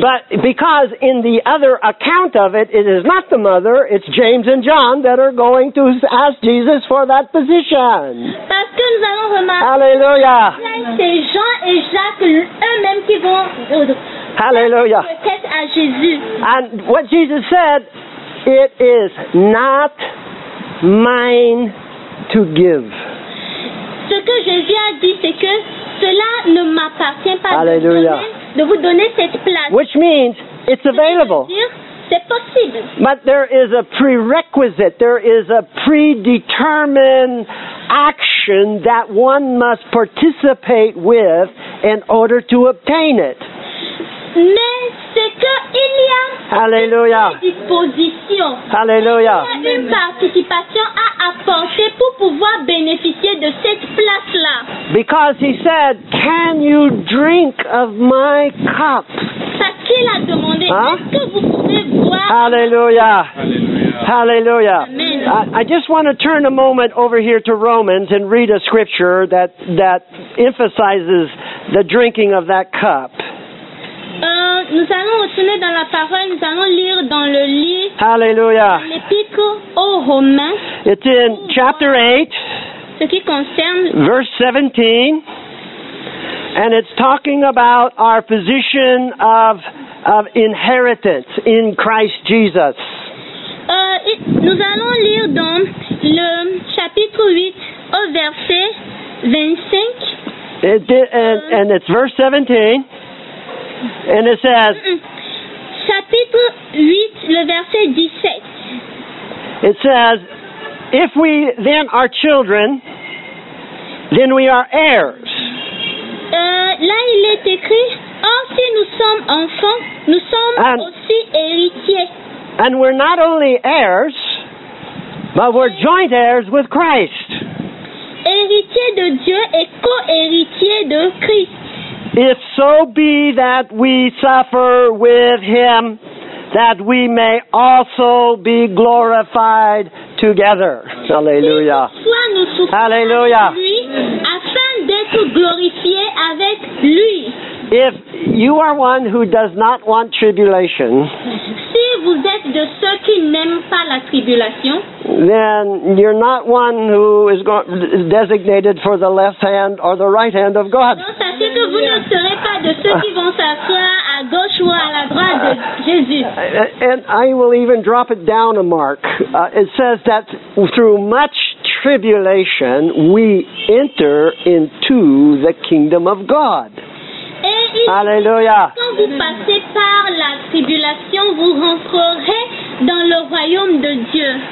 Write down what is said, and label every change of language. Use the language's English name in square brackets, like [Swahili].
[English] But because in the other account of it, it is not the mother, it's James and John that are going to ask Jesus for that position. [French] Parce que nous allons remarquer. Alléluia. C'est Jean et Jacques eux-mêmes qui vont. Alléluia. Tête à Jésus. [English] And what Jesus said, it is not mine to give. [French] Ce que Jésus a dit, c'est que cela ne m'appartient pas de vous donner cette place. [English] Which means it's available. [French] C'est possible. [English] But there is a prerequisite. There is a predetermined action that one must participate with in order to obtain it. [French] Mais c'est que il y a Alléluia. Une disposition. Alléluia. Il y a une participation à apporter pour pouvoir bénéficier de cette place-là. [English] Because he said, "Can you drink of my cup?" [French] Parce qu'il a demandé, hein? Est-ce que vous pouvez boire? Alléluia. [English] Hallelujah. I just want to turn a moment over here to Romans and read a scripture that emphasizes the drinking of that cup. [French] Nous allons retourner dans la parole, nous allons lire dans le livre. [English] Hallelujah. [French] L'épître aux Romains. [English] It's in chapter 8. [French] Ce qui concerne [English] verse 17. And it's talking about our position of inheritance in Christ Jesus. [French] Nous allons lire dans le chapitre 8 au verset 25. [English] And it's verse 17. And it says, [French] chapitre 8, le verset 17. [English] It says, if we then are children, then we are heirs. [French] Là, il est écrit, or si nous sommes enfants, nous sommes aussi héritiers. [English] And we're not only heirs, but we're joint heirs with Christ. [French] Héritiers de Dieu et co-héritiers de Christ. [English] If so be that we suffer with him, that we may also be glorified together. Hallelujah. Hallelujah. [French] Afin d'être glorifié avec lui. [English] If you are one who does not want tribulation, [French] si vous êtes de ceux qui n'aiment pas la tribulation, [English] then you're not one who is designated for the left hand or the right hand of God. [French] Vous ne serez pas de ceux qui vont s'asseoir à gauche ou à la droite de Jésus. [English] And I will even drop it down a mark. It says that through much tribulation we enter into the kingdom of God. [French] Alléluia. Quand vous passez par la tribulation, vous rentrerez dans le royaume de Dieu.